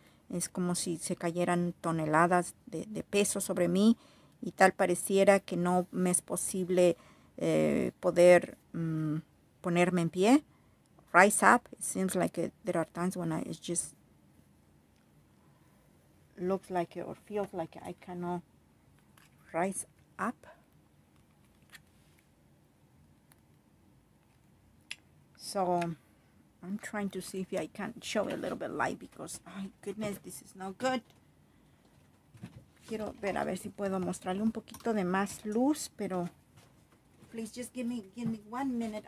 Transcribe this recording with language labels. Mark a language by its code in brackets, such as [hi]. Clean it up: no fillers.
[es] Es como si se cayeran toneladas de peso sobre mí, y tal pareciera que no me es posible poder ponerme en pie. [en] Rise up. It seems like there are times when it just looks like or feels like I cannot rise up. So I'm trying to see if I can show a little bit light, because, ay, goodness, this is not good. [es] Quiero ver a ver si puedo mostrarle un poquito de más luz, pero [en] please just give me 1 minute.